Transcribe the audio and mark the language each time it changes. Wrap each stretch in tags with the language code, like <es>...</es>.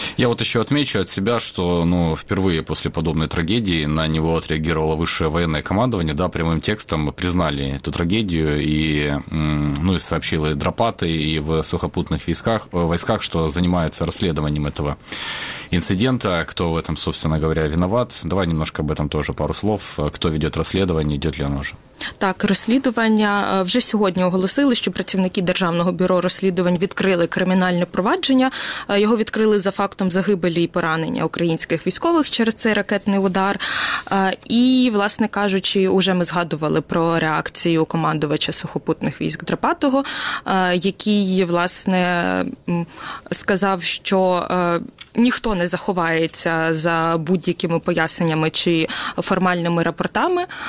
<uk>Я от ще отмечу від себе, що вперше після подобної трагедії на нього відреагувало вище воєнне командування, да, прямим текстом признали ту трагедію і, ну, і сообщили дропати і в сухопутних військах, що займаються</uk> <ru>расследованием этого инцидента, кто в этом, собственно говоря, виноват. Давай немножко об этом тоже пару слов. Кто ведет расследование, идет ли оно уже?</ru> <uk>Так, розслідування вже сьогодні оголосили, що працівники Державного бюро розслідувань відкрили кримінальне провадження. Його відкрили за фактом загибелі і поранення українських військових через цей ракетний удар. І, власне кажучи, уже ми згадували про реакцію командувача сухопутних військ Драпатого, який, власне, сказав, що ніхто не заховається за будь-якими поясненнями чи формальними рапортами.</uk>